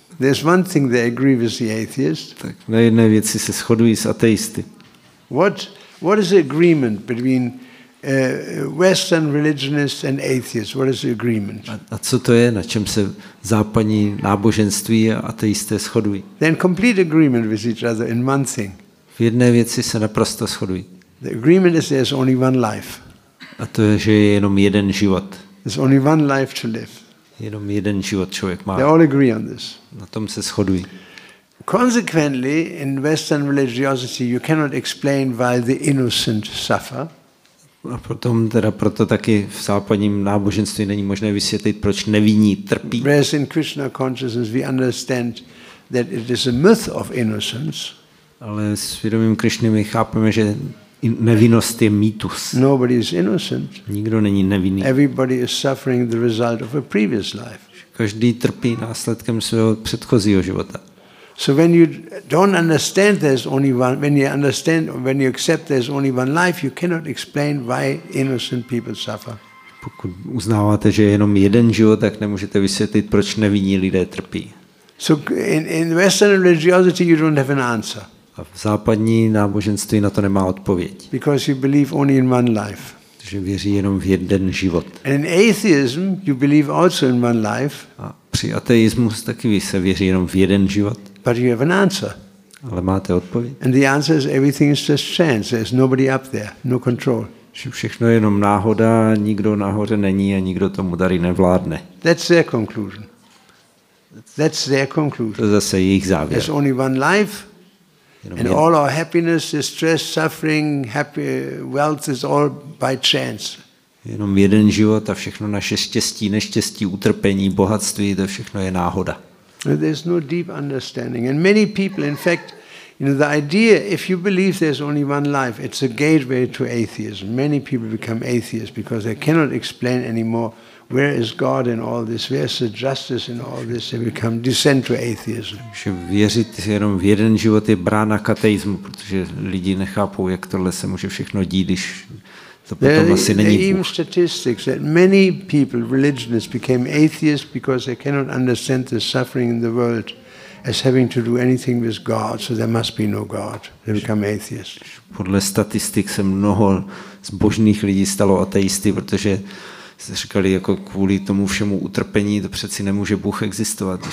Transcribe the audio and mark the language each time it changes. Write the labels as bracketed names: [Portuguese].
[English] There's one thing they agree with the atheist. [Czech] Tak na jedné věci se shodují s ateisty. [English] What is the agreement between Western religionists and atheists? What is the agreement? [Czech] A co to je, na čem se západní náboženství a ateisté shodují? [English] They're in complete agreement with each other in one thing. [Czech] V jedné věci se naprosto shodují. [English] The agreement is there's only one life. [Czech] A to je, že je jenom jeden život. [English] There's only one life to live. [Czech] Jenom jeden život člověk má. [English] They all agree on this. [Czech] Na tom se shodují. [English] Consequently, in Western religiosity, you cannot explain why the innocent suffer. [Czech] A potom teda proto taky v západním náboženství není možné vysvětlit, proč nevinní trpí. [English] Whereas in Krishna consciousness we understand that it is a myth of innocence. [Czech] Ale s vědomím Krišny my chápeme, že nevinnost je mýtus. [English] Nobody is innocent. [Czech] Nikdo není nevinný. [English] Everybody is suffering the result of a previous life. [Czech] Každý trpí následkem svého předchozího života. [English] So when you don't understand there's only one, when you understand, when you accept there's only one life, you cannot explain why innocent people suffer. [Czech] Pokud uznáváte, že je jenom jeden život, tak nemůžete vysvětlit, proč nevinní lidé trpí. [English] So in Western religiosity you don't have an answer. [Czech] A v západní náboženství na to nemá odpověď. [English] Because you believe only in one life. [Czech] Že věří jenom v jeden život. [English] And in atheism you believe also in one life. [Czech] A při ateismu taky se věří jenom v jeden život. [English] But you have an answer. [Czech] Ale máte odpověď. [English] And the answer is everything is just chance. There's nobody up there, no control. [Czech] Že všechno je jenom náhoda, nikdo nahoře není a nikdo tomu tady nevládne. [English] That's their conclusion. That's their conclusion. [Czech] To je zase jejich závěr. [English] There's only one life. And all our happiness, stress, suffering, happy wealth is all by chance. [Czech] Jenom jeden život a všechno naše štěstí, neštěstí, utrpení, bohatství, to všechno je náhoda. [English] There's no deep understanding. And many people, in fact, you know, the idea, if you believe there's only one life, it's a gateway to atheism. Many people become atheists because they cannot explain anymore where is God in all this, where is the justice in all this, they become descent to atheism. [Czech] Že věřit jenom v jeden život je brána k ateismu, protože lidi nechápou, jak tohle se může všechno dít, když to potom asi není Bůh. [English] There are statistics that many people, religionists, became atheists because they cannot understand the suffering in the world as having to do anything with God, so there must be no God. They become atheists. [Czech] Podle statistik se mnoho zbožných lidí stalo ateisty, protože říkali, jako kvůli tomu všemu utrpení, to přeci nemůže Bůh existovat.